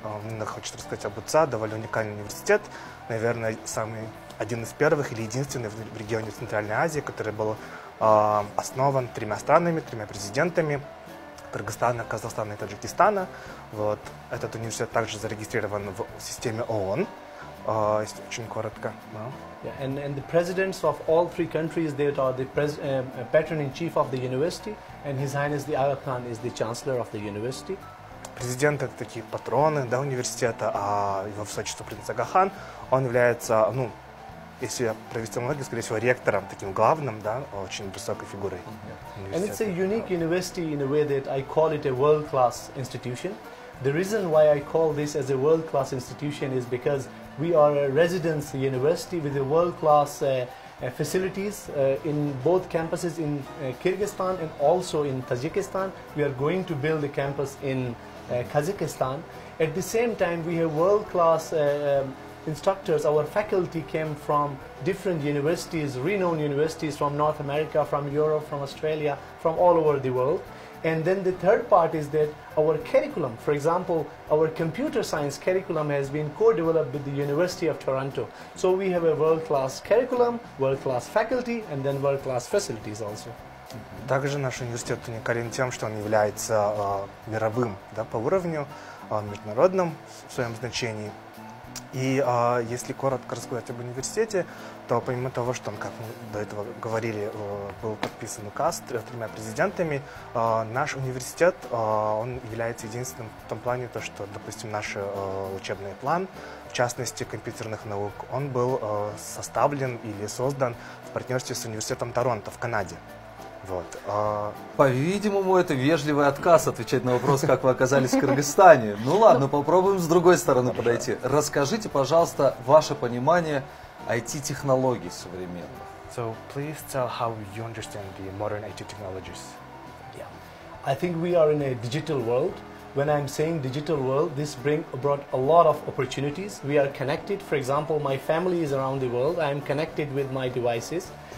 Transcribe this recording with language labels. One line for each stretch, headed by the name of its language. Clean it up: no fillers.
Russian: Мне хочется рассказать об УЦА, довольно уникальный университет, наверное, самый один из первых или единственный в регионе Центральной Азии, который был основан тремя странами, тремя президентами Кыргызстана, Казахстана и Таджикистана. Вот. Этот университет также зарегистрирован в системе ООН. Очень коротко. Да.
English: Yeah, and the presidents of all three countries, they are the patron-in-chief of the university, and His Highness the Aga Khan is the chancellor of the university.
Russian: Президент — это такие патроны, да, университета, а его высочество принц Ага Хан, он является, ну, если провести аналогию, скорее всего, ректором, таким главным, да, очень высокой фигурой.
English: And it's a unique university in a way that I call it a world-class institution. The reason why I call this as a world-class institution is because we are a residency university with a world-class facilities in both campuses in Kyrgyzstan and also in Tajikistan. We are going to build a campus in Kazakhstan. At the same time, we have world-class instructors. Our faculty came from different universities, renowned universities from North America, from Europe, from Australia, from all over the world. And then the third part is that our curriculum, for example, our computer science curriculum has been co-developed with the University of Toronto. So we have a world-class curriculum, world-class faculty, and then world-class facilities also.
Russian: Также наш университет уникален тем, что он является мировым, да, по уровню, международным в своем значении. И если коротко рассказать об университете, то помимо того, что он, как мы до этого говорили, был подписан указ тремя президентами, наш университет, он является единственным в том плане, то, что, допустим, наш учебный план, в частности, компьютерных наук, он был составлен или создан в партнерстве с университетом Торонто в Канаде. Вот. По-видимому, это вежливый отказ отвечать на вопрос, как вы оказались в Кыргызстане. Ну ладно, попробуем с другой стороны подойти. Расскажите, пожалуйста, ваше понимание IT-технологий современных.
English: So, please tell how you understand the modern IT technologies. Yeah. I think we are in a digital world. When I'm saying digital world, this brought a lot of opportunities. We are connected. For example, my family is around the world. I am connected with my devices.